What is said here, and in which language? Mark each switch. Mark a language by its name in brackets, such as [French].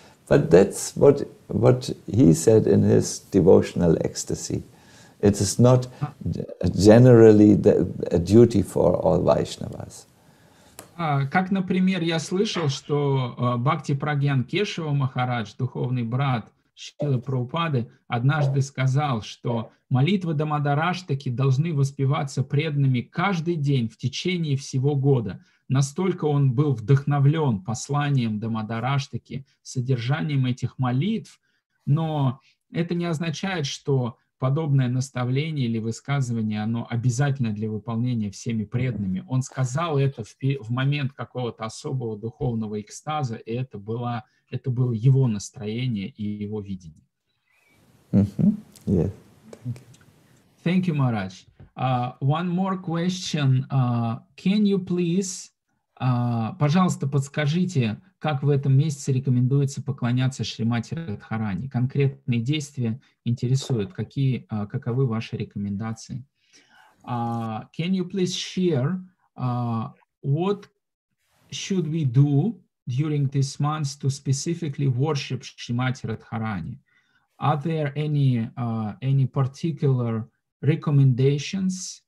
[English] But that's what he said in his devotional ecstasy. It is not generally a duty for all Vaishnavas. [Russian] Как, например, я слышал, что Бхакти Прагьян Кешава Махарадж, духовный брат Шрилы Прабхупады, однажды сказал, что молитвы Дамодараштаки должны воспеваться преданными каждый день в течение всего года. Настолько он был вдохновлен посланием Дамодараштаки, содержанием этих молитв, но это не означает, что подобное наставление или высказывание, оно обязательно для выполнения всеми преданными. Он сказал это в момент какого-то особого духовного экстаза, и это было его настроение и его видение. [English] Mm-hmm. Yes. Thank you. Thank you, Maharaj. One more question. Can you please, [Russian] пожалуйста, подскажите, как в этом месяце рекомендуется поклоняться Шримати Радхарани? Конкретные действия интересуют. Каковы ваши рекомендации? [English] Can you please share what should we do during this month to specifically worship Shrimati Radharani? Are there any particular recommendations?